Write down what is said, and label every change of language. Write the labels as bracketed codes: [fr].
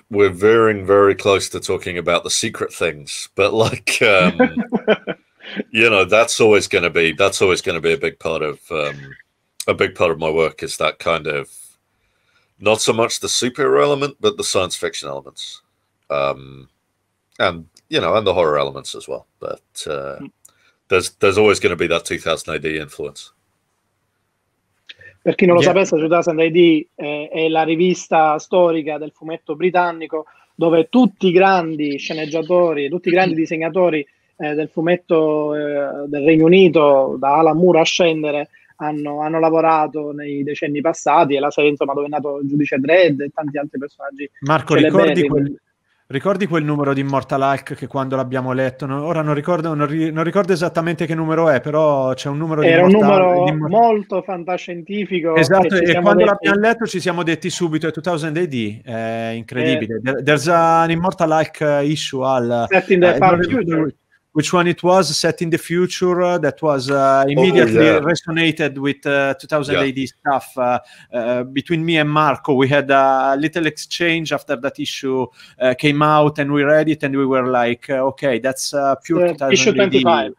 [en] We're veering very close to talking about the secret things, but like, you know, that's always going to be, that's always going to be a big part of my work is that kind of, not so much the superhero element, but the science fiction elements. And, you know, and the horror elements as well. But there's always going to be that 2000 AD influence. [it] Per chi non lo sapesse, 2000 AD è la rivista storica del fumetto britannico dove tutti i grandi sceneggiatori, tutti i grandi disegnatori del fumetto del Regno Unito, da Alan Moore a scendere, hanno lavorato nei decenni passati, e la serie, insomma, dove è nato il Giudice Dredd e tanti altri personaggi. Marco, ricordi quel numero di Immortal Hulk che quando l'abbiamo letto, non ricordo esattamente che numero è, però c'è un numero molto fantascientifico. Esatto, e quando l'abbiamo letto ci siamo detti subito, è 2000 AD, è incredibile. [en] There's an Immortal Hulk issue al... Set in the far future. Which one it was, set in the future, that was immediately resonated with 2000 AD stuff. Between me and Marco, we had a little exchange after that issue came out, and we read it, and we were like, okay, that's pure 2000 AD.